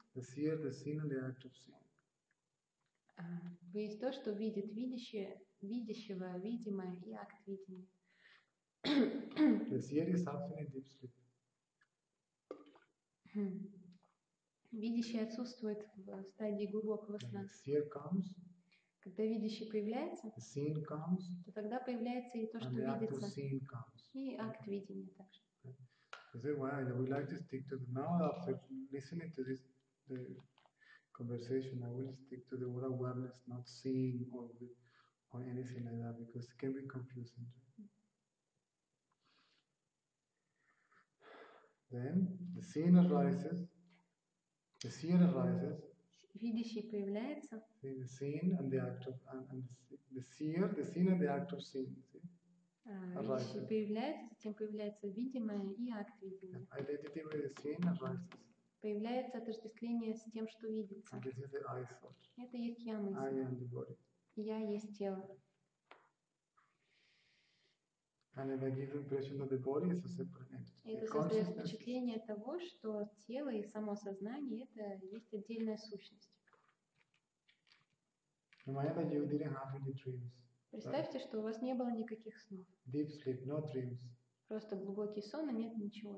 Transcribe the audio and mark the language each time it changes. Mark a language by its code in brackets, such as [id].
[en] The seer, the seen, and the act of seen. [ru] Вы есть то, что видит видящее, видящего, видимое и акт видения. [en] The seer is absent in deep sleep. [ru] Видящий отсутствует в стадии глубокого сна. [en] The seer comes. [ru] Когда видящий появляется, [en] the seen comes, [ru] то тогда появляется и то, что [en] and the [ru] видится, [en] act of seen comes. [ru] И акт видения также. [en] Is it why I would like to stick to the now after listening to this the conversation, I will stick to the word awareness, not seeing or anything like that, because it can be confusing. Then the seeing arises, the seer arises. [ru] Видящий появляется. [en] See, the seen and the act of and the seer, the seen and the act of seeing. See? [ru] Видящий появляется, затем появляется видимое и акт видения. [en] And identity with the seen arises. [ru] Появляется отождествление с тем, что видится. [en] And this is the I thought. [ru] Это есть я мысль. [en] I am the body. [ru] Я есть тело. [en] And then I give the impression that the body is a separate entity. [ru] Это создает впечатление того, что тело и само сознание – это есть отдельная сущность. [en] Remember that you didn't have any dreams. [ru] Представьте, right? Что у вас не было никаких снов. [en] Deep sleep, no dreams. [ru] Просто глубокий сон, а нет ничего.